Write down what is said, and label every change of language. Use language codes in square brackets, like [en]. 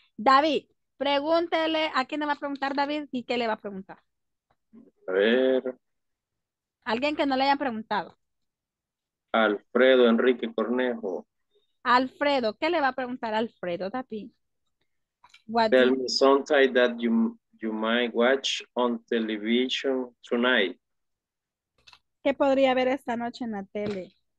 [es] David, pregúntele, ¿a quién le va a preguntar David y qué le va a preguntar? A ver. Alguien que no le haya preguntado. Alfredo Enrique Cornejo. Alfredo, ¿qué le va a preguntar Alfredo, David? [en] Tell me something that you might watch on television tonight. [es] ¿Qué podría ver esta noche en la tele?